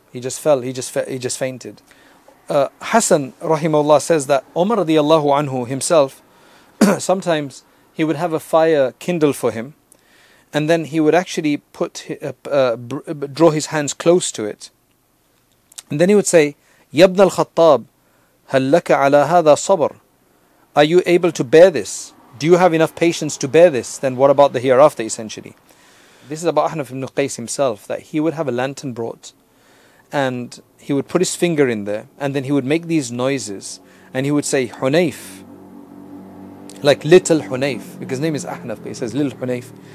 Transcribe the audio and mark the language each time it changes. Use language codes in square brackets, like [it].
[en] He just fainted. Hassan, rahimahullah, says that Umar radiallahu anhu himself, sometimes he would have a fire kindled for him. And then he would actually draw his hands close to it. And then he would say, [ar] يبن الخطاب, هل لك على هذا صبر? [en] Are you able to bear this? Do you have enough patience to bear this? Then what about the hereafter, essentially? This is about Ahnaf ibn Qais himself, that he would have a lantern brought, and he would put his finger in there, and then he would make these noises, and he would say, Hunayf, like little Hunayf, because his name is Ahnaf, but he says, little Hunayf.